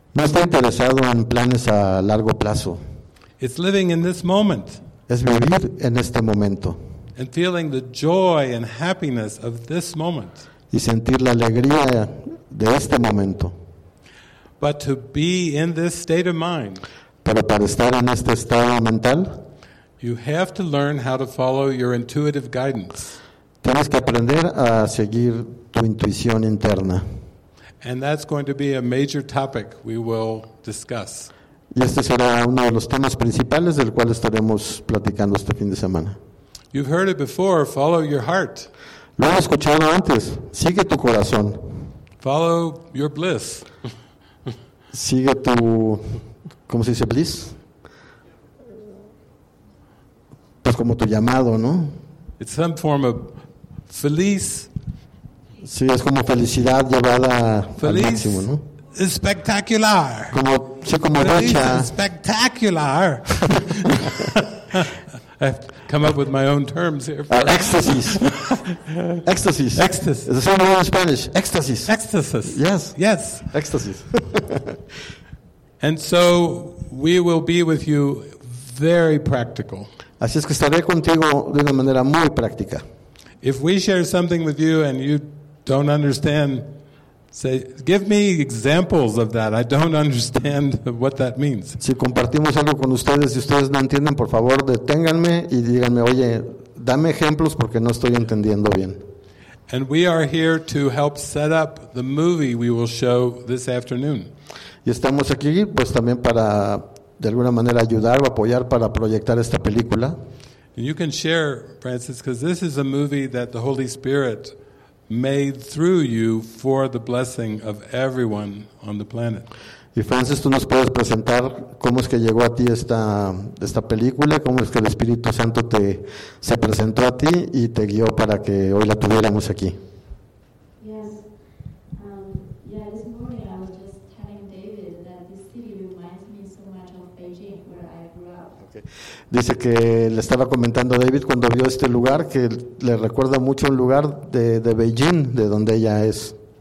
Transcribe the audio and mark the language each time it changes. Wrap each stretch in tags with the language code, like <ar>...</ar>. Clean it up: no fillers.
<es>No está interesado en planes a largo plazo.</es> <en>It's living in this moment.</en> <es>Es vivir en este momento.</es> <en>And feeling the joy and happiness of this moment.</en> <es>Y sentir la alegría de este momento.</es> <en>But to be in this state of mind.</en> <es>Pero para estar en este estado mental.</es> <en>You have to learn how to follow your intuitive guidance.</en> <es>Tienes que aprender a seguir tu intuición interna.</es> <en>And that's going to be a major topic we will discuss.</en> <es>Y este será uno de los temas principales del cual estaremos platicando este fin de semana.</es> <en>You've heard it before, follow your heart.</en> <es>Lo has escuchado antes, sigue tu corazón.</es> <en>Follow your bliss.</en> <es>Sigue tu, ¿cómo se dice bliss? Pues como tu llamado, ¿no?</es> <en>It's some form of feliz.</en> <es>Sí, es como felicidad llevada feliz al máximo, ¿no?</es> <en>Is spectacular.</en> <es>Como, sí, como feliz racha.</es> <en>Is spectacular. I've come up with my own terms here. Ecstasies. Ecstasies. Ecstasies. It's the same word in Spanish. Ecstasies. Ecstasies. Yes. Yes. Ecstasies. And so we will be with you very practical.</en> <es>Así es que estaré contigo de una manera muy práctica.</es> <en>If we share something with you and you don't understand, say, give me examples of that. I don't understand what that means.</en> <es>Si compartimos algo con ustedes y ustedes no entienden, por favor, deténganme y díganme, oye, dame ejemplos porque no estoy entendiendo bien.</es> <en>And we are here to help set up the movie we will show this afternoon.</en> <es>Y estamos aquí, pues también para, de alguna manera, ayudar o apoyar para proyectar esta película.</es> <en>And you can share, Francis, because this is a movie that the Holy Spirit made through you for the blessing of everyone on the planet.</en> <es>Y Francis, tú nos puedes presentar cómo es que llegó a ti esta película, cómo es que el Espíritu Santo se presentó a ti y te guió para que hoy la tuviéramos aquí.</es> <en>This morning I was just telling David that this city reminds me so much of Beijing, where I grew up.</en> <es>Dice que le estaba comentando a David cuando vio este lugar que le recuerda mucho un lugar de Beijing, de donde ella es.</es>